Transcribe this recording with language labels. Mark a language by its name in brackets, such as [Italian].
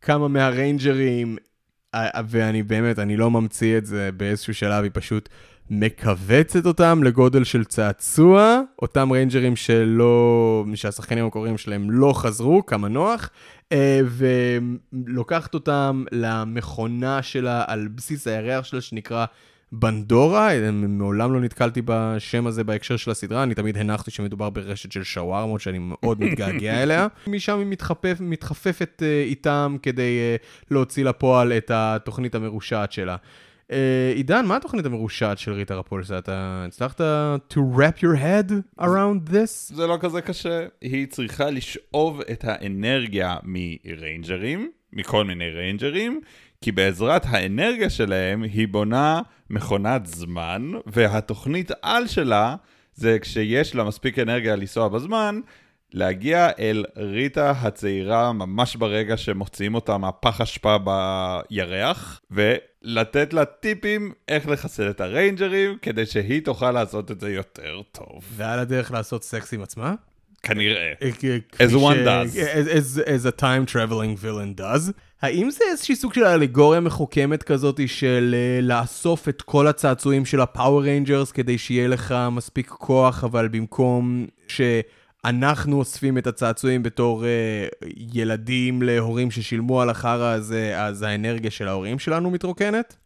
[Hebrew] כמה מהריינג'רים, ואני באמת, אני לא ממציא את זה, באיזשהו שלב היא פשוט מקווצת אותם לגודל של צעצוע, אותם ריינג'רים שלא, שהשחקנים הקוראים שלהם לא חזרו, כמה נוח, ולוקחת אותם למכונה שלה על בסיס הירח שלה שנקרא בנדורה, מעולם לא נתקלתי בשם הזה בהקשר של הסדרה, אני תמיד הנחתי שמדובר ברשת של שווארמות שאני מאוד מתגעגע אליה. משם היא מתחפפת איתם כדי להוציא לפועל את התוכנית המרושעת שלה. עידן, מה התוכנית המרושעת של ריטה רפולסה? אתה הצלחת [English] to wrap your head around this? [Hebrew] זה לא כזה קשה. היא צריכה לשאוב את האנרגיה מריינג'רים, מכל מיני ריינג'רים, כי בעזרת האנרגיה שלהם היא בונה מכונת זמן, והתוכנית על שלה זה כשיש לה מספיק אנרגיה לנסוע בזמן, להגיע אל ריטה הצעירה ממש ברגע שמוצאים אותה מהפח השפעה בירח, ולתת לה טיפים איך לחסל את הריינג'רים כדי שהיא תוכל לעשות את זה יותר טוב. ועל הדרך לעשות סקס עם עצמה? כנראה. [English] As one does. As a time-traveling villain does. [Hebrew] האם זה איזושהי סוג של אלגוריה מחוכמת כזאת של לאסוף את כל הצעצועים של הפאור ריינג'רס כדי שיהיה לך מספיק כוח, אבל במקום שאנחנו אוספים את הצעצועים בתור ילדים להורים ששילמו על אחר הזה, אז האנרגיה של ההורים שלנו מתרוקנת?